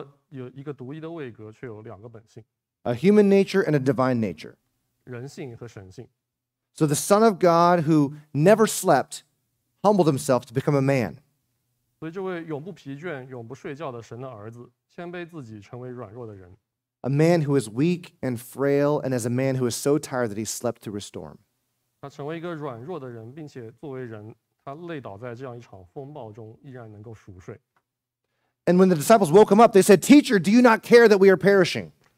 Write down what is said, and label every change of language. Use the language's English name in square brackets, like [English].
[Chinese] 这是一个神圣的奥秘，神如何有一个独一的位格，却有两个本性。 [English] A human nature and a divine nature. [Chinese] 人性和神性。 [English] So the Son of God, who never slept, humbled himself to become a man. [Chinese] 所以这位永不疲倦、永不睡觉的神的儿子，谦卑自己，成为软弱的人。 [English] A man who is weak and frail, and as a man who is so tired that he slept through a storm. [Chinese] 他成为一个软弱的人，并且作为人，他累倒在这样一场风暴中，依然能够熟睡。 [English] And when the disciples woke him up, they said, Teacher, do you not care that we are perishing?